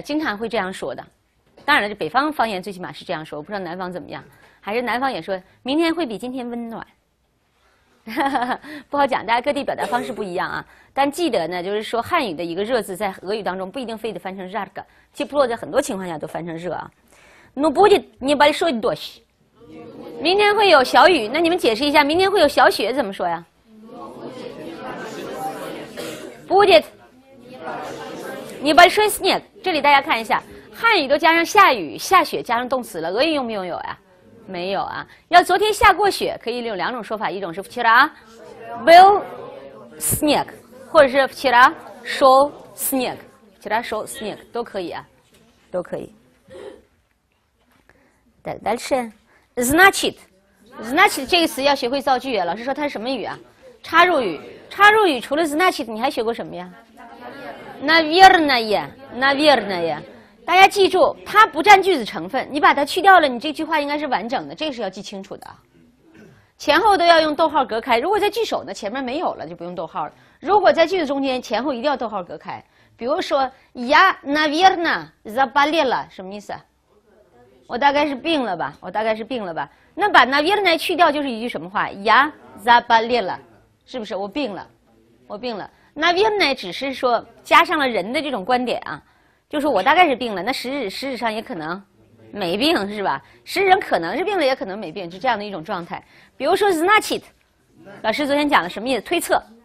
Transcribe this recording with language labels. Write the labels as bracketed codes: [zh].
[zh] 经常会这样说的。当然了，这北方方言最起码是这样说，我不知道南方怎么样。还是南方也说明天会比今天温暖。不好讲，大家各地表达方式不一样啊。但记得呢，就是说汉语的一个热字在俄语当中不一定非得翻成 жарко， 其实在很多情况下都翻成热啊。 [ru] ну будет небольшой дождь， [zh] 明天会有小雨。那你们解释一下明天会有小雪怎么说呀？ [ru] будет небольшой снег， [zh] 这里大家看一下，汉语都加上下雨下雪加上动词了，俄语用不用有呀？没有啊。要昨天下过雪可以有两种说法，一种是 [ru] вчера был снег， [zh] 或者是 [ru] вчера шел снег， вчера шел снег [zh] 都可以啊，都可以。 дальше значит 这个词要学会造句啊。老师说它是什么语啊？插入语。插入语除了 значит 你还学过什么呀？ [ru] наверное наверное。 [zh] 大家记住，它不占句子成分，你把它去掉了，你这句话应该是完整的，这个是要记清楚的。前后都要用逗号隔开，如果在句首呢，前面没有了就不用逗号了。如果在句子中间，前后一定要逗号隔开。比如说 [ru] я наверное заболела， [zh] 什么意思？我大概是病了吧，我大概是病了吧。那把 наверное 去掉就是一句什么话？ [ru] я заболела， [zh] 是不是？我病了，我病了。 наверное 只是说加上了人的这种观点啊，就是我大概是病了，那实质上也可能没病，是吧？实质上可能是病了，也可能没病，就这样的一种状态。比如说 значит， 老师昨天讲了什么意思？推测。